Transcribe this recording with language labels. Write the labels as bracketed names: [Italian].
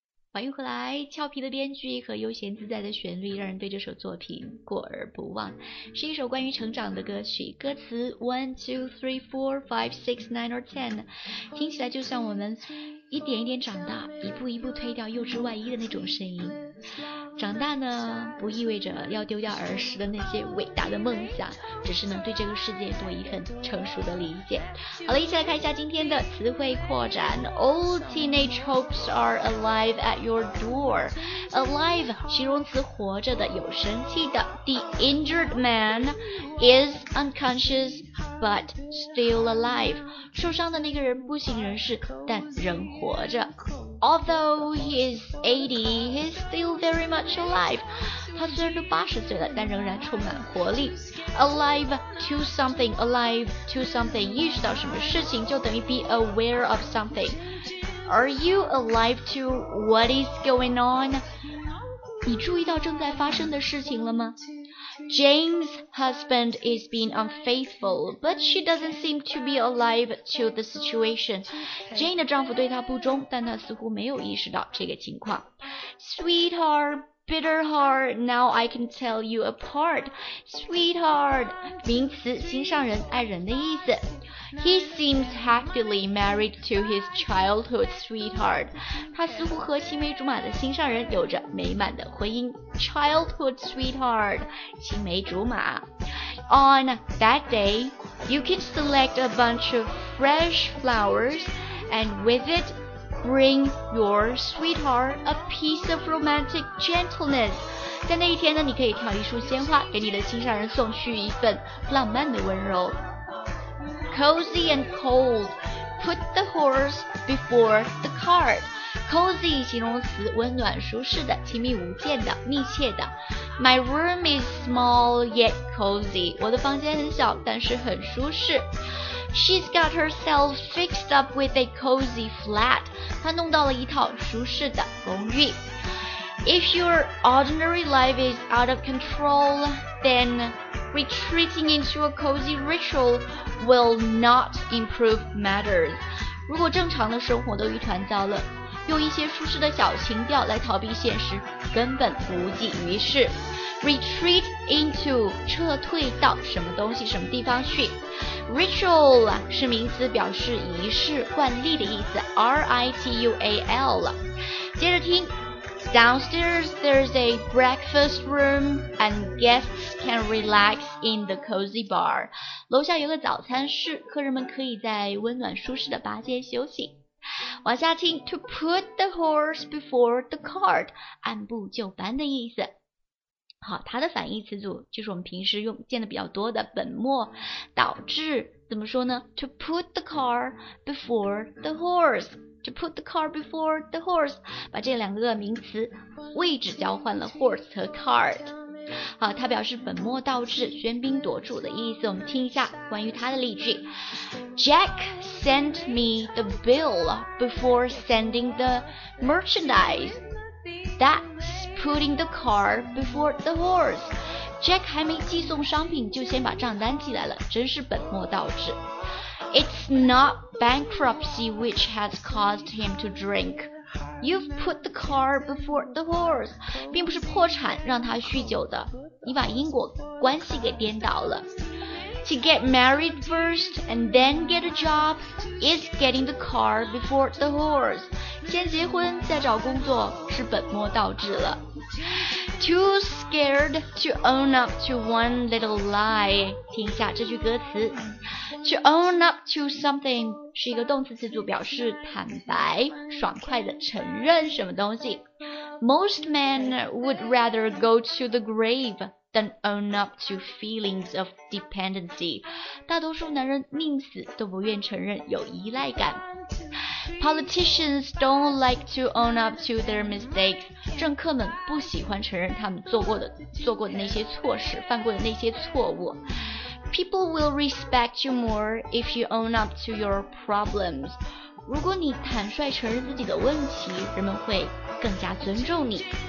[Chinese] 欢迎回来，俏皮的编剧和悠闲自在的旋律让人对这首作品过而不忘，是一首关于成长的歌曲，歌词 1, 2, 3, 4, 5, 6, 9, or 10 听起来就像我们一点一点长大，一步一步推掉幼稚外衣的那种声音。长大呢，不意味着要丢掉儿时的那些伟大的梦想，只是能对这个世界多一份成熟的理解。好了，一起来看一下今天的词汇扩展。 [English] All teenage hopes are alive at your door. [Chinese] Alive 形容词，活着的，有生气的。 [English] The injured man is unconscious but still alive. [Chinese] 受伤的那个人不省人事，但仍活着。 [English] Although he is 80, he is still very much alive. [Chinese] 他虽然都80岁了，但仍然充满活力。 [English] Alive to something, alive to something. [Chinese] 意识到什么事情就等于 [English] be aware of something. Are you alive to what is going on? [Chinese] 你注意到正在发生的事情了吗？ [English] Jane's husband is being unfaithful, but she doesn't seem to be alive to the situation. [Chinese] Jane 的丈夫对她不忠，但她似乎没有意识到这个情况。Sweetheart [English] Bitter heart, now I can tell you apart. [Chinese] Sweetheart, 名词，心上人，爱人的意思。 [English] He seems happily married to his childhood sweetheart. [Chinese] 他似乎和青梅竹马的心上人有着美满的婚姻。 Childhood sweetheart, 青梅竹马。 [English] On that day, you can select a bunch of fresh flowers and with it,Bring your sweetheart a piece of romantic gentleness. [Chinese] 在那一天呢，你可以挑一束鲜花，给你的心上人送去一份浪漫的温柔。 [English] Cozy and cold, put the horse before the cart. [Chinese] Cozy 形容词，温暖舒适的，亲密无间的，密切的。 [English] My room is small yet cozy. [Chinese] 我的房间很小，但是很舒适。 [English] She's got herself fixed up with a cozy flat. [Chinese] 她弄到了一套舒适的公寓。 [English] If your ordinary life is out of control, then retreating into a cozy ritual will not improve matters. [Chinese] 如果正常的生活都一团糟了，用一些舒适的小情调来逃避现实，根本无济于事。 [English] Retreat into [Chinese] 撤退到什么东西什么地方去 [English] Ritual [Chinese] 是名词表示仪式惯例的意思 [English] R-I-T-U-A-L [Chinese] 接着听 [English] Downstairs there's a breakfast room And guests can relax in the cozy bar [Chinese] 楼下有个早餐室客人们可以在温暖舒适的吧间休息往下听 [English] To put the horse before the cart [Chinese] 按部就班的意思好，它的反义词组就是我们平时用见的比较多的本末倒置，怎么说呢 [English] ？To put the car before the horse. To put the car before the horse. [Chinese] 把这两个名词位置交换了 horse 和 cart。好，它表示本末倒置、喧宾夺主的意思。我们听一下关于它的例句 [English] ：Jack sent me the bill before sending the merchandise. That. Putting the car before the horse. [Chinese] Jack 还没寄送商品就先把账单寄来了，真是本末倒置。 [English] It's not bankruptcy which has caused him to drink. You've put the car before the horse. [Chinese] 并不是破产让他酗酒的，你把因果关系给颠倒了。 [English] To get married first and then get a job is getting the car before the horse. [Chinese] 先结婚再找工作是本末倒置了 [English] Too scared to own up to one little lie [Chinese] 听一下这句歌词 [English] To own up to something [Chinese] 是一个动词词组表示坦白爽快的承认什么东西 [English] Most men would rather go to the grave than own up to feelings of dependency [Chinese] 大多数男人宁死都不愿承认有依赖感 [English] Politicians don't like to own up to their mistakes. [Chinese] 政客们不喜欢承认他们做过的那些错事，犯过的那些错误。 [English] People will respect you more if you own up to your problems. [Chinese] 如果你坦率承认自己的问题，人们会更加尊重你。